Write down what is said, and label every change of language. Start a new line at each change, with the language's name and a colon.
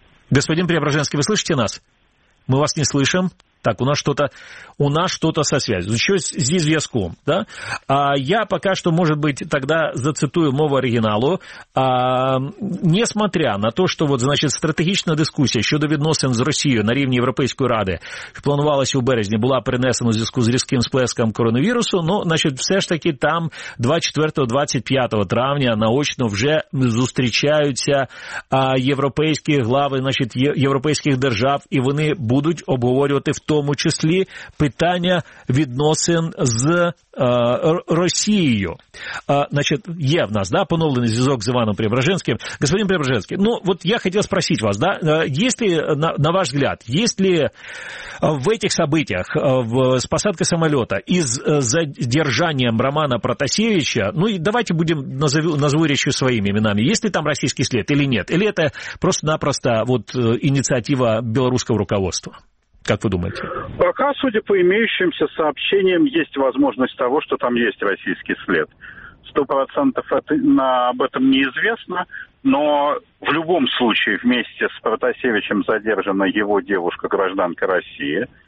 Russian: Господин Преображенский, вы слышите нас? Мы вас не слышим. Так, у нас что-то со связью.
Ukrainian: Щось зі зв'язком,
Russian: да? А я пока что, может быть, тогда зацитую
Ukrainian: мову оригіналу.
Russian: А, несмотря на то, что вот,
Ukrainian: значит, стратегічна дискусія щодо відносин з Росією на рівні Європейської ради, що планувалася у березні, була перенесена у зв'язку з різким сплеском коронавірусу, ну, значить, все ж таки там 24-25 травня наочно вже зустрічаються європейські глави, значить, європейських держав, і вони будуть обговорювати в тому числі питання відносин з Росією. Значить, є в нас, да, поновлений зв'язок з Іваном Преображенським. Господин Преображенський, ну, от я хотів спросити вас, да, є ли,
Russian: на ваш взгляд,
Ukrainian: є ли в цих событиях, з посадки самоліта і з задержанням Романа Протасевича, ну, і давайте будемо назву речі своїми іменами, є ли там російський слід или ні? Или це просто-напросто от ініціатива білоруського руководства?
Russian: Как вы думаете? Пока, судя по имеющимся сообщениям, есть возможность того, что там есть российский след. 100% об этом неизвестно, но в любом случае вместе с Протасевичем задержана его девушка, гражданка России.